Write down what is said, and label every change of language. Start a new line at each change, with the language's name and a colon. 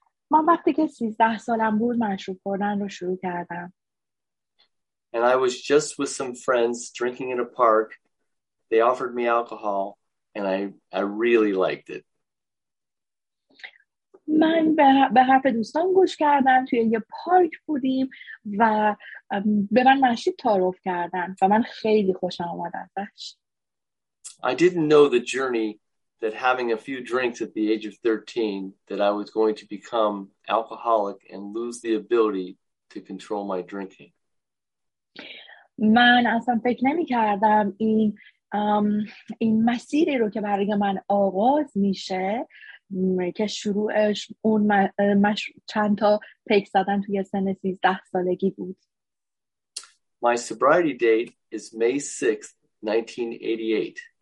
Persian: من وقتی که 13 سالم بود مشروب خوردن رو شروع کردم.
English: And I was just with some friends drinking in a park. They offered me alcohol and I really liked it.
Persian: من به حرف دوستان گوش کردم، توی یه پارک بودیم و به من نشید تعارف کردن و من خیلی خوشم اومد ازش.
English: I didn't know the journey that having a few drinks at the age of 13 that I was going to become alcoholic and lose the ability to control my drinking.
Persian: من اصلا فکر نمی کردم این مسیری رو که برای من آغاز میشه که شروعش اون چند تا پیک زدن توی سن 13 سالگی بود.
English: My sobriety date is May 6th, 1988.